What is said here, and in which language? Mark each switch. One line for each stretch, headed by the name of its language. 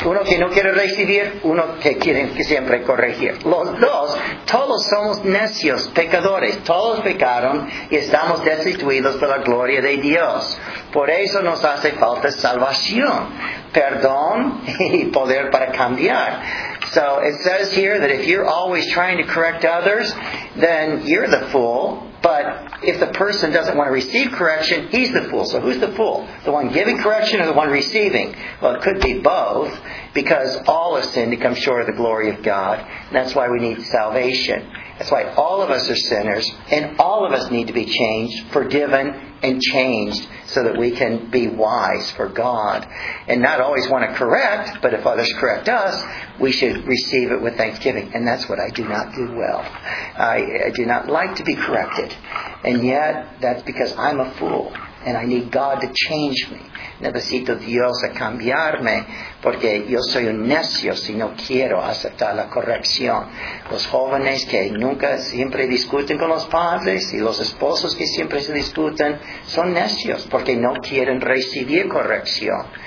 Spanish: Uno que no quiere recibir, uno que quiere siempre corregir. Los dos, todos somos necios, pecadores. Todos pecaron y estamos destituidos de la gloria de Dios. Por eso nos hace falta salvación, perdón y poder para cambiar.
English: So it says here that if you're always trying to correct others, then you're the fool. But if the person doesn't want to receive correction, he's the fool. So who's the fool? The one giving correction or the one receiving? Well, it could be both, because all have sinned to come short of the glory of God. And that's why we need salvation. That's why all of us are sinners, and all of us need to be changed, forgiven, and changed so that we can be wise for God. And not always want to correct, but if others correct us, we should receive it with thanksgiving. And that's what I do not do well. I do not like to be corrected. And yet, that's because I'm a fool, and I need God to change me.
Spanish: Necesito Dios a cambiarme, porque yo soy un necio si no quiero aceptar la corrección. Los jóvenes que nunca siempre discuten con los padres y los esposos que siempre se discuten son necios porque no quieren recibir corrección.